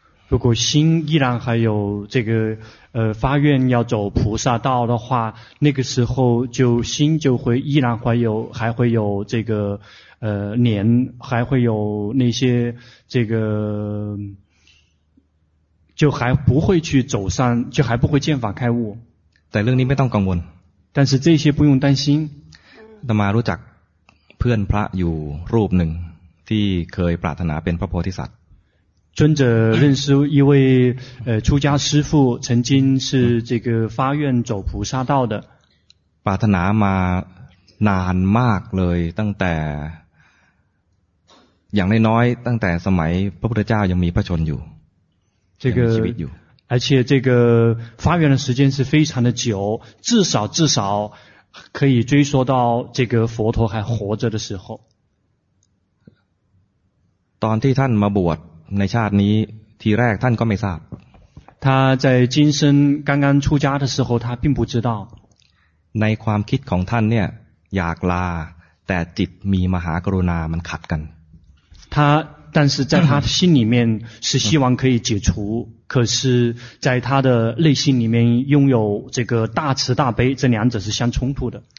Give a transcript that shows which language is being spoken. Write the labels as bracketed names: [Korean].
[Chinese] 如果心依然还有这个发愿要走菩萨道的话，那个时候就心就会依然还会有这个念，还会有那些这个，就还不会去走上，就还不会见法开悟。 [Thai] แต่เรื่องนี้ไม่ต้องกังวล。 [Chinese] 但是这些不用担心。 [Thai] ธรรมารู้จักเพื่อนพระอยู่รูปหนึ่งที่เคยปรารถนาเป็นพระโพธิสัตว์ [Chinese] 尊者认识一位出家师父，曾经是这个发愿走菩萨道的。 [Thai] ปรารถนามานานมากเลยตั้งแต่อย่างน้อยๆตั้งแต่สมัยพระพุทธเจ้ายังมีพระชนอยู่ [Chinese] 这个而且这个发愿的时间是非常的久，至少可以追溯到这个佛陀还活着的时候。 [Thai] ตอนที่ท่านมาบวชในชาตินี้ทีแรกท่านก็ไม่ทราบ [Chinese] 他在今生刚刚出家的时候他并不知道 [Thai] ในความคิดของท่านเนี่ยอยากลาแต่จิตมีมหากรุณามันขัดกัน [Chinese] 他但是在他心里面是希望可以解除可是在他的内心里面拥有这个大慈大悲这两者是相冲突的